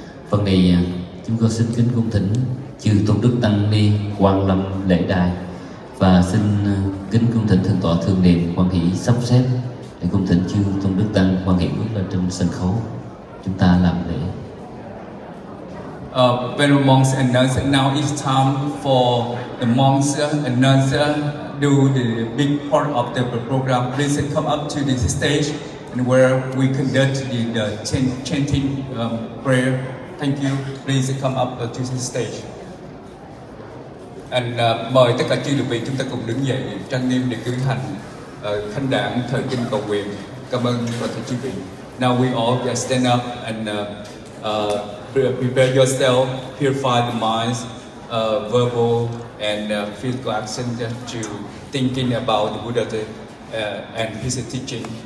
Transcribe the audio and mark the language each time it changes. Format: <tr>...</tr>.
<vi>Phần này chúng con xin kính cung thỉnh chư tôn đức tăng ni quang lâm lễ đài, và xin kính cung thỉnh thượng tọa thường niệm Quang Hỷ sắp xếp để cung thỉnh chư tôn đức tăng Quang Hỷ bước lên trên sân khấu chúng ta làm lễ.</vi> <en>Venerable monks and nuns, now it's time for the monks and nuns do the big part of the program. Please come up to this stage and where we conduct the chanting prayer. Thank you. Please come up to this stage.</en> <vi>And mời tất cả chư đệ tử chúng ta cùng đứng dậy trang nghiêm để cử hành khánh đản thời kinh cầu nguyện. Cảm ơn và thưa chư vị.</vi> <en>Now we all stand up and prepare yourself, purify the minds, verbal and physical action to thinking about the Buddha and his teaching.</en>